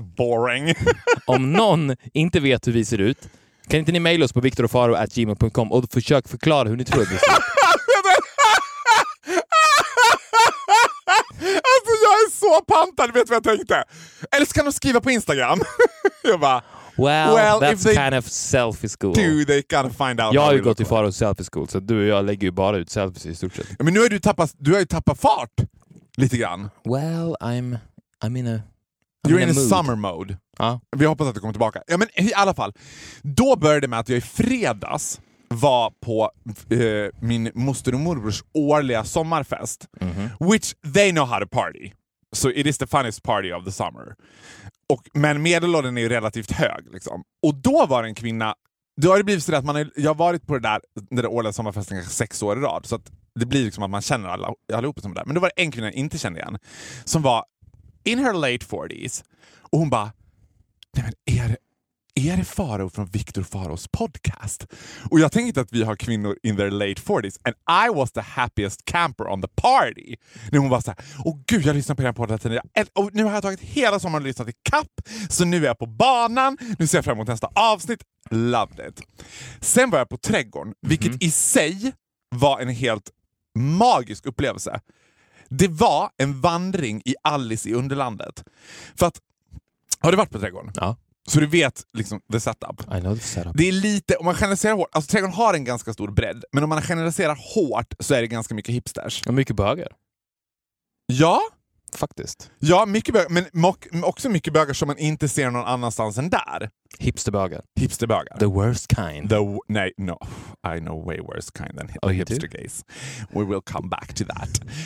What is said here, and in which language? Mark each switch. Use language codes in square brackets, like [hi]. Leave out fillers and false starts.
[en] Boring? [sv] Om någon inte vet hur vi ser ut, kan inte ni mejla oss på victorofaro@gmail.com och försök förklara hur ni tror att vi ser ut. Alltså jag är så pantad, vet du vad jag tänkte? Eller så kan de skriva på Instagram. Jag bara... [en] Well, that's kind of selfie school. Do they kind of find out? [sv] Jag har ju gått till Faros selfie school, så du och jag lägger ju bara ut selfies i stort sett. Men nu har du har ju tappat fart lite grann. [en] Well, I'm in a mood. You're in a summer mode. Ah. [sv] Vi hoppas att du kommer tillbaka. Ja, men i alla fall, då började det med att jag i fredags var på min moster och morbrors årliga sommarfest. Mm-hmm. [en] Which they know how to party. Så it is the funniest party of the summer. [sv] Och, men medelåldern är ju relativt hög. Liksom. Och då var en kvinna... Då har det blivit så att man är, jag har varit på det där när det årliga sommarfesten kanske 6 år i rad. Så att det blir liksom att man känner alla allihopa som är där. Men då var det en kvinna jag inte kände igen. Som var [en] in her late 40s. [sv] Och hon bara... Nej men är det Faro från Victor Faros podcast? Och jag tänkte att vi har kvinnor [en] in their late 40s. And I was the happiest camper on the party. [sv] När hon var så här, åh gud, jag lyssnar på den podden. Och nu har jag tagit hela sommaren och lyssnat i kapp. Så nu är jag på banan. Nu ser jag fram emot nästa avsnitt. [en] Loved it. [sv] Sen var jag på trädgården. Vilket i sig var en helt magisk upplevelse. Det var en vandring i Alice i Underlandet. För att, har du varit på trädgården? Ja. Så du vet liksom [en] the setup. I know the setup. [sv] Det är lite, om man generaliserar hårt, alltså trädgården har en ganska stor bredd, men om man generaliserar hårt så är det ganska mycket hipsters. Och mycket böger. Ja. Faktiskt. Ja, mycket böger, men också mycket böger som man inte ser någon annanstans än där. Hipsterböger. Hipsterböger. [en] The worst kind. I know way worse kind than hipster gays. We will come back to that.